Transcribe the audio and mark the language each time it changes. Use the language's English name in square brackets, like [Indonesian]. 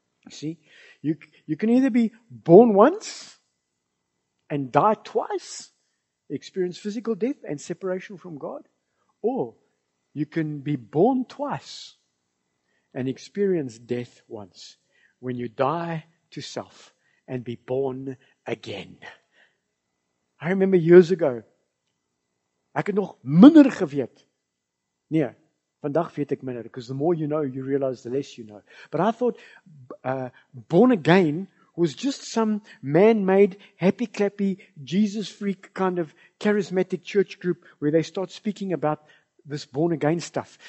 [English] See, you can either be born once and die twice, experience physical death and separation from God, or you can be born twice and experience death once. when you die to self and be born again. I remember years ago, [Afrikaans] ek het nog minder geweet. Nee, vandag weet ek minder, [English] because the more you know, you realize the less you know. But I thought born again was just some man-made, happy-clappy, Jesus-freak kind of charismatic church group where they start speaking about this born-again stuff.